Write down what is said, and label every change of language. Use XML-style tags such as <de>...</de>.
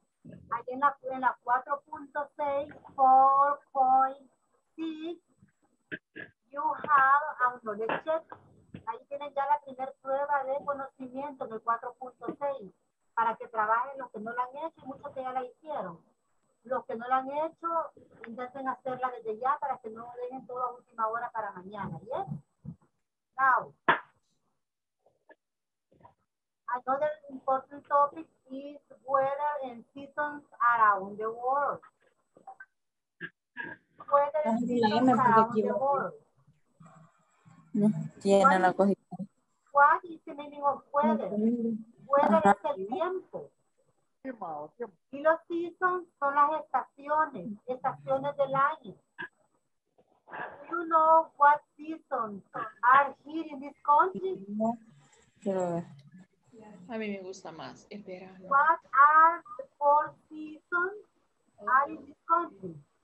<es>Ahí en la</es> <en>4.6, 4.6, you have a knowledge check.</en> <es>Ahí tienen ya la primera prueba de conocimiento del 4.6 para que trabajen los que no la han hecho y muchos que ya la hicieron. Los que no la han hecho, intenten hacerla desde ya para que no dejen toda última hora para mañana, ¿sí?</es> <en>Now, another important topic is weather and seasons around the world. Weather and seasons around the world. What is the meaning of weather?</en> <es>Weather es el tiempo. Y los seasons son las estaciones del año.</es> <en>Do you know what seasons are here in this country?</en> <es>A mí me gusta más el verano.</es> <en>What are the four seasons are in this country?</en>